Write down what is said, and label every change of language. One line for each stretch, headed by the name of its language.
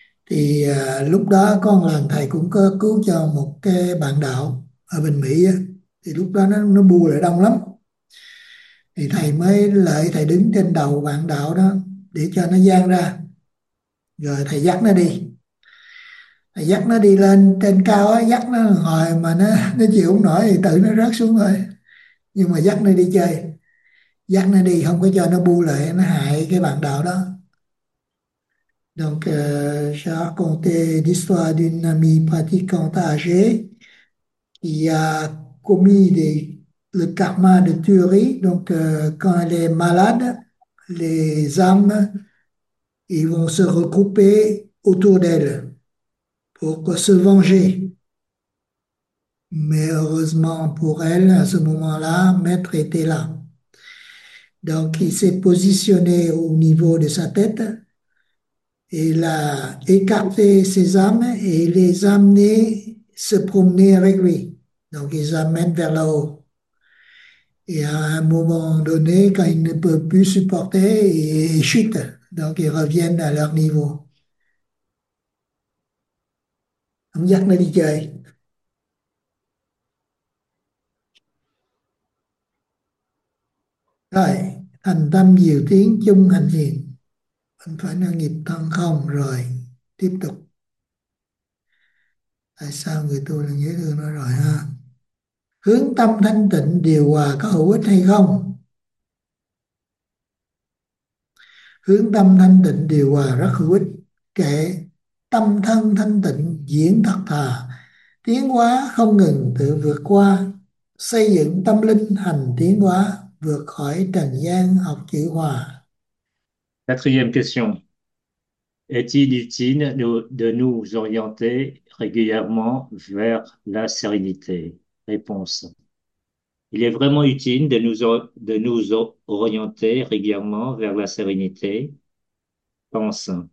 Vietnamese: Thì lúc đó có một lần thầy cũng có cứu cho một cái bạn đạo ở bên Mỹ á, thì lúc đó nó bu lại đông lắm, thì thầy mới lợi thầy đứng trên đầu bạn đạo đó để cho nó giang ra, rồi thầy dắt nó đi, thầy dắt nó đi lên trên cao á, dắt nó hồi mà nó chịu không nổi thì tự nó rớt xuống thôi, nhưng mà dắt nó đi chơi, dắt nó đi không có cho nó bu lại nó hại cái bạn đạo đó.
French: Donc, j'ai raconté l'histoire d'une amie pratiquante âgée qui a commis le karma de tuerie. Donc, quand elle est malade, les âmes, ils vont se regrouper autour d'elle pour se venger. Mais heureusement pour elle, à ce moment-là, Maître était là. Donc, il s'est positionné au niveau de sa tête et il a écarté ses âmes et les a amenées se promener avec lui. Donc, ils amènent vers là-haut. Et à un moment donné, quand ils ne peuvent plus supporter, ils chutent. Donc, ils reviennent à leur niveau. On dirait que les
Vietnamese: Rồi, thành tâm diệu tiến chung hành thiền. Không phải là nghiệp thân không. Rồi, tiếp tục. Tại sao người tôi là nhớ thương nó rồi ha? Hướng tâm thanh tịnh điều hòa có hữu ích hay không? Hướng tâm thanh tịnh điều hòa rất hữu ích. Kệ tâm thân thanh tịnh diễn thật thà, tiến hóa không ngừng tự vượt qua, xây dựng tâm linh hành tiến hóa, vượt khỏi trần gian học chữ hòa.
French: Quatrième question. Est-il utile de nous orienter régulièrement vers la sérénité? Réponse. Il est vraiment utile de nous orienter régulièrement vers la sérénité. Pense.